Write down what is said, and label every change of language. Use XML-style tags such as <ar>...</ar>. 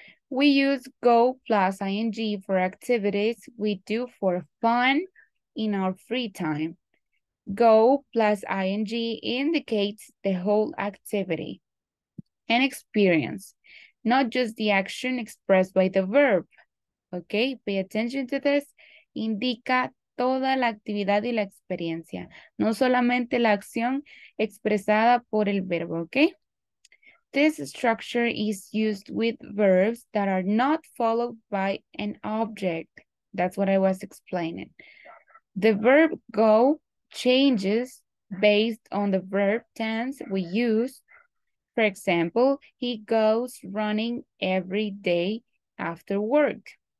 <en>We use go plus ing for activities we do for fun in our free time. Go plus ing indicates the whole activity. and experience, not just the action expressed by the verb. Okay, pay attention to this.</en> <es>Indica toda la actividad y la experiencia, no solamente la acción expresada por el verbo, okay?</es> <en>This structure is used with verbs that are not followed by an object. That's what I was explaining. The verb go changes based on the verb tense we use. For example, he goes running every day after work.</en>